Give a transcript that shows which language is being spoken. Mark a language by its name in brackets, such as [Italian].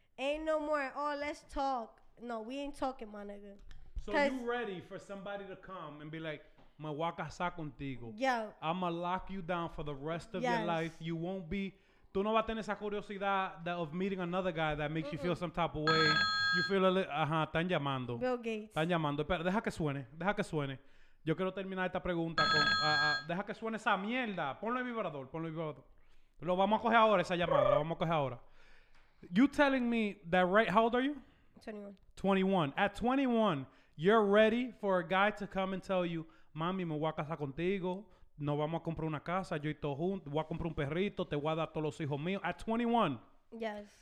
[English] Ain't no more. Oh, let's talk. No, we ain't talking, my nigga. So you ready for somebody to come and be like, me voy a casar contigo. Yo. I'm going to lock you down for the rest of your life. You won't be, tú no vas a tener esa curiosidad that of meeting another guy that makes you feel some type of way. You feel a little, están llamando. Bill Gates. [Spanish] Están llamando. Espera, deja que suene, deja que suene. Yo quiero terminar esta pregunta con, deja que suene esa mierda. Ponlo en vibrador, ponlo en vibrador. Lo vamos a coger ahora, esa llamada, la vamos a coger ahora. [English] You telling me that right, how old are you? 21. At 21, you're ready for a guy to come and tell you, mami, me voy a casar contigo, no vamos a comprar una casa, yo y todo junto, voy a comprar un perrito, te voy a dar todos los hijos míos. At 21. Yes.